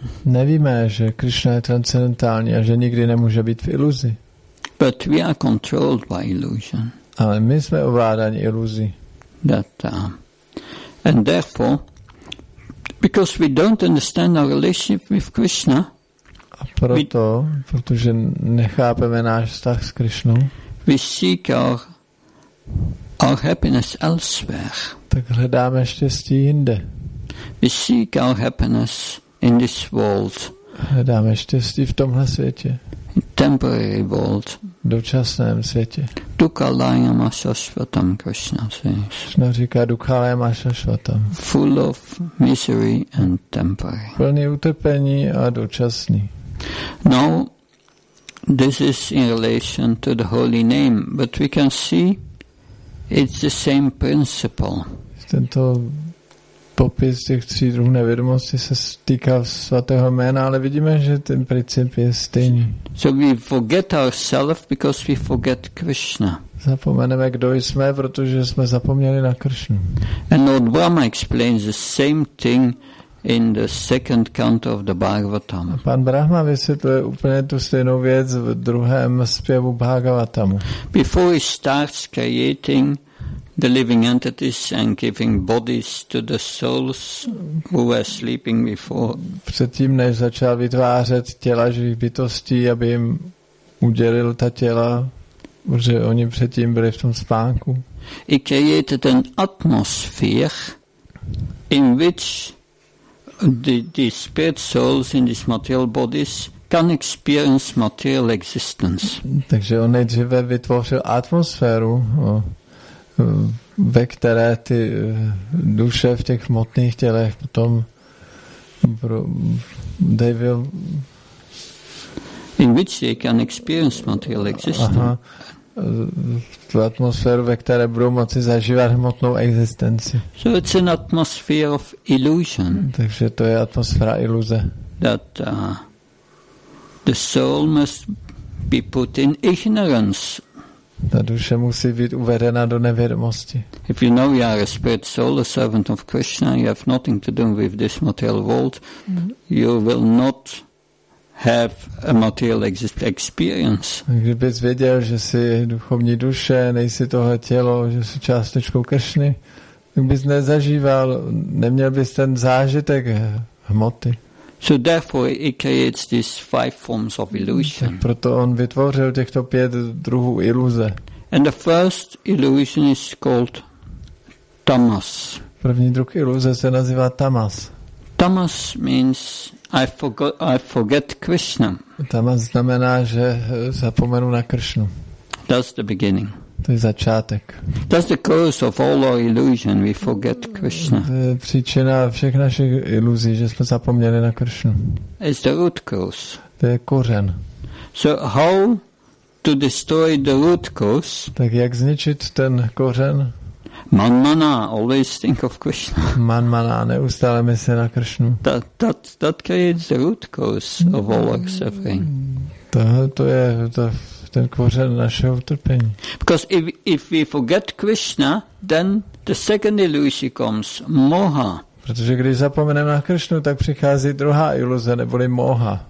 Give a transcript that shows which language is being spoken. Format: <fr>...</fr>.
<cs>Nevíme, že Krishna je transcendentální a že nikdy nemůže být v iluzi.</cs> <en>But we are controlled by illusion.</en> <cs>Ale my jsme ovládáni iluzí.</cs> <en>That, and therefore, because we don't understand our relationship with Krishna,</en> <cs>a proto, protože nechápeme náš vztah s Krišnou,</cs> <en>we seek our happiness elsewhere.</en> <cs>Tak hledáme štěstí jinde.</cs> <en>We seek our happiness in this world.</en> <cs>Hledáme štěstí v tomhle světě.</cs> <en>Temporary world.</en> <cs>Dočasném světě.</cs> <sa>Dukkhalayam Ashashvatam,</sa> <en>Krishna says.</en> <cs>Krishna říká</cs> <sa>Dukkhalayam Ashashvatam.</sa> <en>Full of misery and temporary.</en> <cs>Plný utrpení a dočasný.</cs> <en>Now, this is in relation to the holy name, but we can see it's the same principle.</en> <cs>Tento popis těch tří druhů nevědomosti se týká svatého jména, ale vidíme, že ten princip je stejný.</cs> <en>So we forget ourselves because we forget Krishna.</en> <cs>Zapomeneme, kdo jsme, protože jsme zapomněli na Krishnu.</cs> <en>And Lord Brahma explains the same thing in the second canto of the Bhagavatam.</en> <cs>Pan Brahma vysvětluje úplně tu stejnou věc v druhém zpěvu Bhagavatamu.</cs> <en>Before he starts creating the living entities and giving bodies to the souls who were sleeping before.</en> <cs>Předtím, než začal vytvářet těla živých bytostí, aby jim udělil ta těla, protože oni předtím byli v tom spánku.</cs> <en>He created an atmosphere in which the spirit souls in these material bodies can experience material existence.</en> <cs>Takže on nejdříve vytvořil atmosféru, ve které ty duše v těch hmotných tělech potom devil,</cs> <en>in which they can experience material existence.</en> <cs>Tu atmosféru, ve které budou moci zažívat hmotnou existenci.</cs> <en>So it's an atmosphere of illusion.</en> <cs>Takže to je atmosféra iluze.</cs> <en>That the soul must be put in ignorance.</en> <cs>Ta duše musí být uvedena do nevědomosti.</cs> <en>If you know you are a spirit soul, a servant of Krishna, you have nothing to do with this material world, you will not have a material experience.</en> <cs>Kdybys věděl, že jsi duchovní duše, nejsi tohle tělo, že jsi částečkou Kršny, tak bys nezažíval, neměl bys ten zážitek hmoty.</cs> <en>So therefore he creates these five forms of illusion.</en> <cs>Tak proto on vytvořil těchto pět druhů iluze.</cs> <en>And the first illusion is called tamas.</en> <cs>První druh iluze se nazývá tamas.</cs> <en>Tamas means I forget Krishna.</en> <cs>Tamas znamená, že zapomenu na Kršnu.</cs> <en>That's the beginning.</en> <cs>To je začátek.</cs> <en>That's the cause of all our illusion. We forget Krishna.</en> <cs>To je příčina všech našich iluzí, že jsme zapomněli na Kršnu.</cs> <en>It's the root cause.</en> <cs>To je kořen.</cs> <en>So how to destroy the root cause?</en> <cs>Tak jak zničit ten kořen?</cs> <en>Manmana, always think of Krishna.</en> <cs>Manmana, neustále myslí na Kršnu.</cs> <en>That creates the root cause of all our suffering.</en> <cs>To je ten kořen našeho utrpení.</cs> <en>Because if we forget Krishna, then the second illusion comes, moha.</en> <cs>Protože když zapomeneme na Kršnu, tak přichází druhá iluze, neboli moha.</cs>